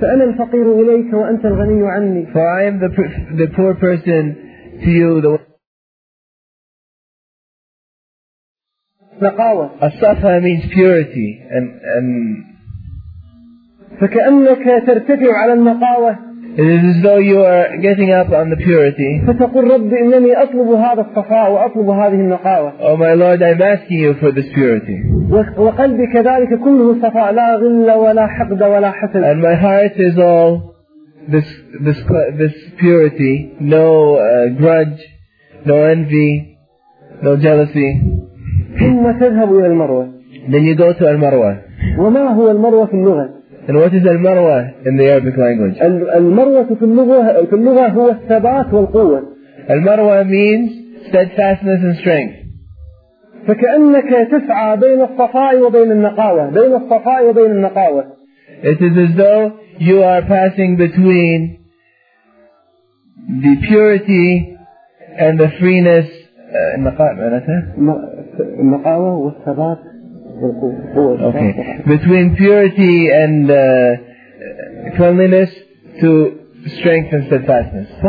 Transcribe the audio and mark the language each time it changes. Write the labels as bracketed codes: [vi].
[ar] فأنا الفقير إليك وأنت الغني عني. [en] For I am the poor person to you, the [ar] نقاوة. [en] الصفا means purity and [ar] فكأنك ترتفع على النقاوة. [en] It is as though you are getting up on the purity. [ar] فتقول رب إنني أطلب هذا الصفاء وأطلب هذه النقاوة. [en] Oh my Lord, I'm asking you for this purity. [ar] وقلبي كذلك كله صفاء لا غل ولا حقد ولا حسد. [en] And my heart is all this purity, no grudge, no envy, no jealousy. [ar] ثم تذهب إلى المروة. [en] Then you go to المروة. [ar] وما هو المروة في اللغة؟ [en] And what is المروة in the Arabic language? [ar] المروة في اللغة هو الثبات والقوة. [en] المروة means steadfastness and strength. [ar] فكأنك تسعى بين الصفاء وبين النقاوة، بين الصفاء وبين النقاوة. [en] It is as though you are passing between the purity and the freeness. Okay. Between purity and cleanliness to strength and steadfastness.